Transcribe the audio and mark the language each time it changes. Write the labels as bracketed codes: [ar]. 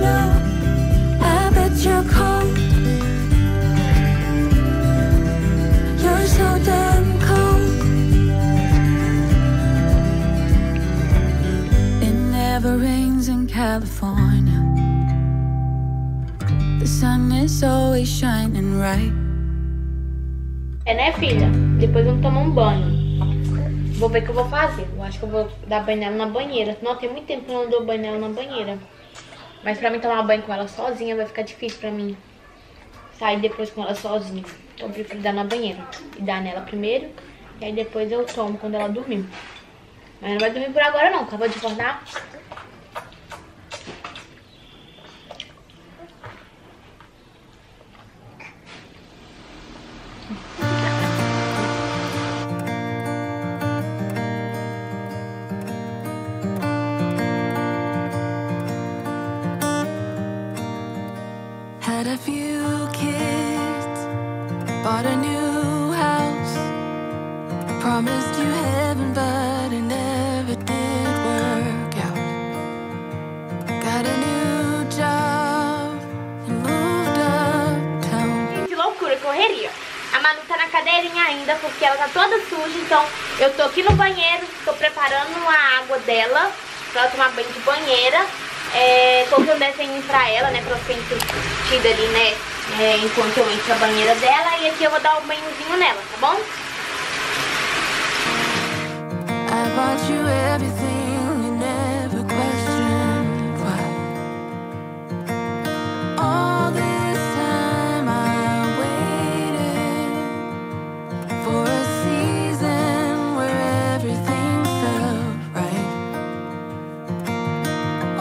[en] No, I bet you're cold. You're so damn cold. Never rains in California. The sun is always shining right. [pt] É, né, filha? Depois vamos tomar um banho. Vou ver o que eu vou fazer. Eu acho que eu vou dar banho nela na banheira. Não, tem muito tempo que eu não dou banho nela na banheira. Mas pra mim tomar banho com ela sozinha vai ficar difícil pra mim sair depois com ela sozinha. Então eu prefiro dar na banheira e dar nela primeiro. E aí depois eu tomo quando ela dormir. Mas não vai dormir por agora não, acabou de acordar. [en] had a few kids, bought a new house, promised you heaven, but it never did work out. Got a new job and moved uptown. [pt] Gente, loucura, correria. A Manu tá na cadeirinha ainda porque ela tá toda suja, então eu tô aqui no banheiro, tô preparando a água dela pra ela tomar banho de banheira. É, colocando um desenho pra ela, né, pra ser entretida ali, né, enquanto eu entro a banheira dela. E aqui eu vou dar um banhozinho nela, tá bom? [en] I bought you everything you never questioned why. All this time I waited for a season where everything felt right.